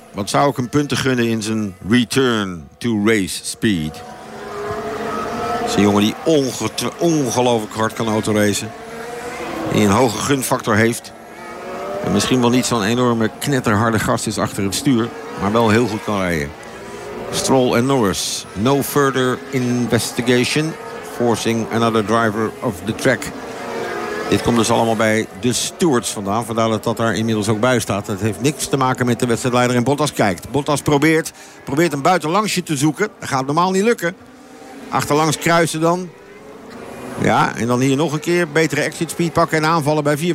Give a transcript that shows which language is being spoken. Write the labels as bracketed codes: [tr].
[nl] Wat zou ik hem punten gunnen in zijn [en] return to race speed. [nl] Dat is een jongen die ongelooflijk hard kan autoracen. Die een hoge gunfactor heeft. En misschien wel niet zo'n enorme knetterharde gast is achter het stuur. Maar wel heel goed kan rijden. Stroll en Norris. [en] No further investigation. Forcing another driver of the track. [nl] Dit komt dus allemaal bij de stewards vandaan. Vandaar dat dat daar inmiddels ook bij staat. Dat heeft niks te maken met de wedstrijdleider. En Bottas kijkt. Bottas probeert een buitenlangsje te zoeken. Dat gaat normaal niet lukken. Achterlangs kruisen dan. Ja, en dan hier nog een keer betere exit speed pakken en aanvallen bij 4.